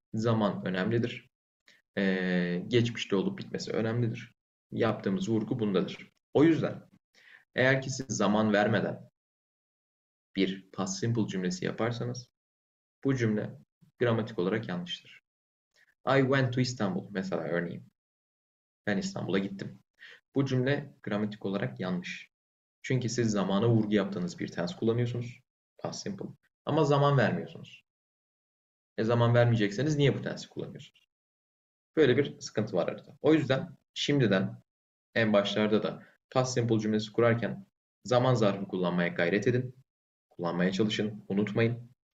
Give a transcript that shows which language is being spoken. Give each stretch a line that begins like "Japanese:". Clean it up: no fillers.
Turkish: Zaman önemlidir. Geçmişte olup bitmesi önemlidir. Yaptığımız vurgu bundadır. O yüzden eğer ki siz zaman vermeden bir past simple cümlesi yaparsanız Bu cümle gramatik olarak yanlıştır.
English: I went to Istanbul
Turkish: mesela örneğin. Ben İstanbul'a gittim. Bu cümle gramatik olarak yanlış. Çünkü siz zamana vurgu yaptığınız bir tense kullanıyorsunuz. Past simple. Ama zaman vermiyorsunuz. E zaman vermeyecekseniz niye bu tense kullanıyorsunuz? Böyle bir sıkıntı var arada. O yüzden şimdiden en başlarda da past simple cümlesi kurarken zaman zarfı kullanmaya gayret edin. Kullanmaya çalışın. Unutmayın.